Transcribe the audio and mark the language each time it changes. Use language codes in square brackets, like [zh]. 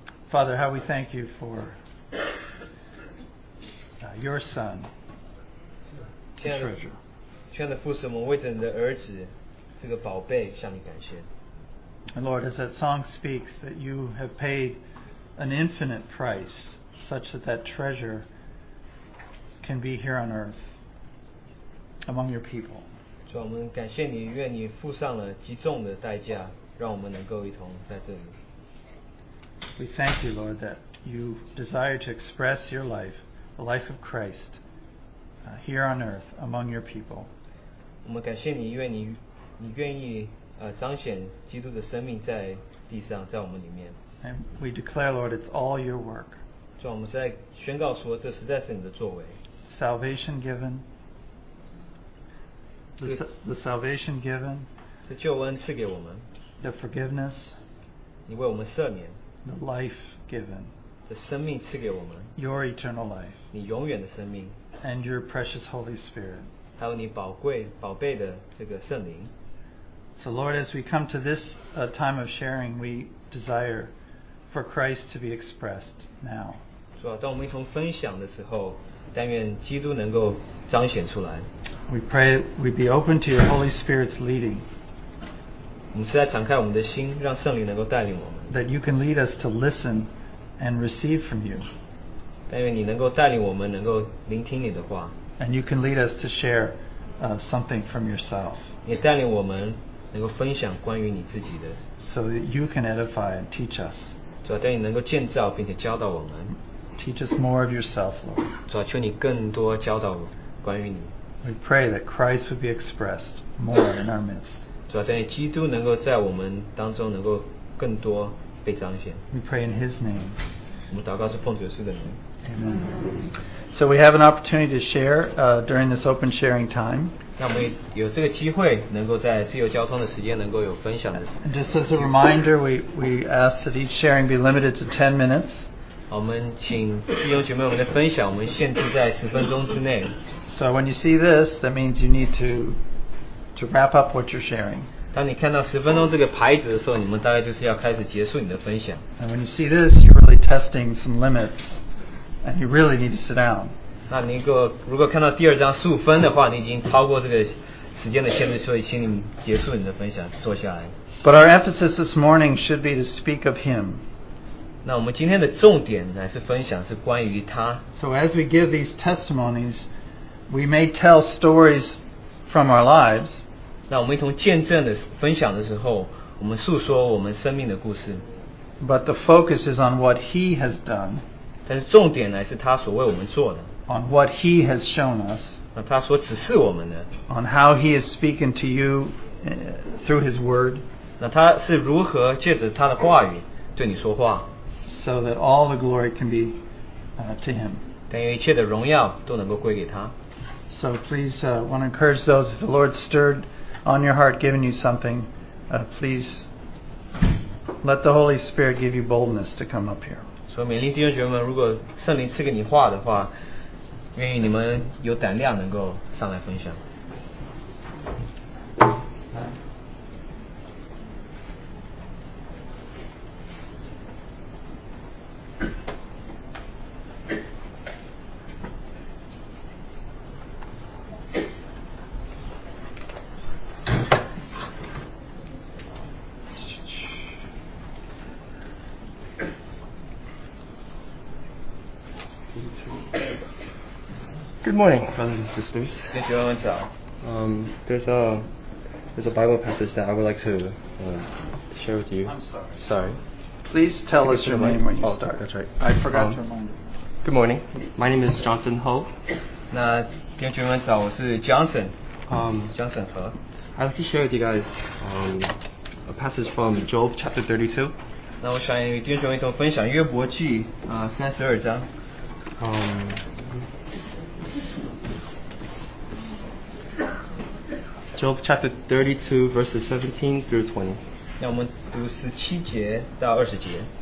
[en] Father, how we thank you for your Son, the treasure. [zh] 亲爱的父神，我为着你的儿子这个宝贝向你感谢。 [en] And Lord, as that song speaks, that you have paid an infinite price such that that treasure can be here on earth among your people. [zh] 主，我们感谢你，愿你付上了极重的代价，让我们能够一同在这里。 [en] We thank you, Lord, that you desire to express your life, the life of Christ, here on earth among your people. [zh] 我们感谢你，愿你愿意彰显基督的生命在地上，在我们里面。 [en] And we declare, Lord, it's all your work. [zh] 主，我们在宣告说，这实在是你的作为。 [en] Salvation given. The salvation given. [zh] 是救恩赐给我们。 [en] The forgiveness. [zh] 你为我们赦免。 [en] The life given. [zh] 这生命赐给我们。 [en] Your eternal life. [zh] 你永远的生命。 [en] And your precious Holy Spirit. [zh] 还有你宝贝的这个圣灵。 [en] So Lord, as we come to this time of sharing, we desire for Christ to be expressed now. [zh] 主啊，当我们一同分享的时候，但愿基督能够彰显出来。 [en] We pray we be open to your Holy Spirit's leading. [zh] 我们实在敞开我们的心，让圣灵能够带领我们。 [en] That you can lead us to listen and receive from you. [zh] 但愿你能够带领我们，能够聆听你的话。 [en] And you can lead us to share something from yourself. [zh] 你带领我们能够分享关于你自己的。 [en] So that you can edify and teach us. [zh] 主啊，但愿你能够建造并且教导我们。 [en] Teach us more of yourself, Lord. [zh] 主啊，求你更多教导关于你。 [en] We pray that Christ would be expressed more in our midst. [zh] 主啊，但愿基督能够在我们当中能够更多被彰显。 [en] We pray in His name. [zh] 我们祷告是奉主耶稣的名。 [en] Amen. So we have an opportunity to share during this open sharing time. [zh] 那我们有这个机会，能够在自由交通的时间能够有分享的。 [en] And just as a reminder, we ask that each sharing be limited to 10 minutes. [zh] 我们请弟兄姐妹们的分享，我们限制在十分钟之内。 [en] So when you see this, that means you need to wrap up what you're sharing. [zh] 当你看到十分钟这个牌子的时候，你们大概就是要开始结束你的分享。 [en] And when you see this, you're really testing some limits, and you really need to sit down. [zh] 那你如果看到第二张十五分的话，你已经超过这个时间的限制，所以请你结束你的分享，坐下来。 [en] But our emphasis this morning should be to speak of Him. [zh] 那我们今天的重点还是分享是关于他。 [en] So as we give these testimonies, we may tell stories from our lives. [zh] 那我们一同见证的分享的时候，我们述说我们生命的故事。 [en] But the focus is on what He has done. [zh] 但是重点还是他所为我们做的。 [en] On what He has shown us. [zh] 那他所指示我们的。 [en] On how He is speaking to you through His Word. [zh] 那他是如何借着他的话语对你说话。 [en] So that all the glory can be to Him. [zh] 但愿一切的荣耀都能够归给他。 [en] So please, want to encourage those if the Lord stirred on your heart, given you something, please let the Holy Spirit give you boldness to come up here. [zh] 所以勉励弟兄姐妹们，如果圣灵赐给你话的话，愿意你们有胆量能够上来分享。 [en] Good morning, brothers and sisters. There's a Bible passage that I would like to share with you. I'm sorry. Sorry. Please tell us your name when you start. That's right. I forgot to remind you. Good morning. My name is Johnson Ho. [zh] 那弟兄姐妹们早，我是 Johnson. Johnson Ho. [en] I'd like to share with you guys a passage from Job chapter 32. [zh] 那我想与弟兄姐妹一同分享约伯记三十二章。 [en] Job chapter 32, verses 17 through 20. [zh] 让我们读十七节到二十节。